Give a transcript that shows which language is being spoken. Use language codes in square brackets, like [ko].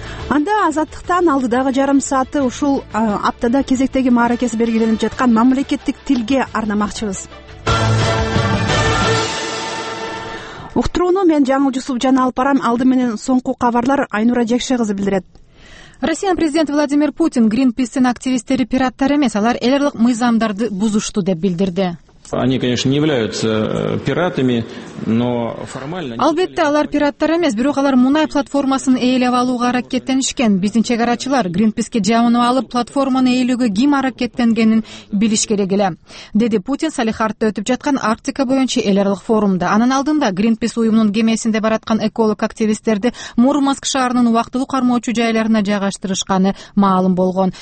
[ky] Анда азаттыктан алдыдагы жарым сааты ушул аптада кезектеги мааракеси белгиленип жаткан мамлекеттик тилге арнамакчыбыз. Уктурууну мен Жаңыл Жусуп жана алып барам. Алды менен соңку кабарлар Айнура Жекше кызы билдирет. Россиянын президенти Владимир Путин Greenpeace'тин активисттери пираттар эмес, алар эл аралык мыйзамдарды бузушту деп билдирди. [ru] Они, конечно, не являются пиратами, но формально... [ky] Албетте, алар пираттар эмес, бирок алар мунай платформасын ээлеп алууга аракеттенишкен. Биздин чек арачылар Greenpeace'ке жабынып алып, платформаны ээлөөгө ким аракеттенгенин билиш керек эле. Деди Путин Салихардта өтүп жаткан Арктика боюнча эл аралык форумда. Анын алдында Greenpeace уюмунун кемесинде бараткан эколог активисттерди Мурманск шаарынын убактылуу кармоочу жайларына жайгаштырышканы маалым болгон.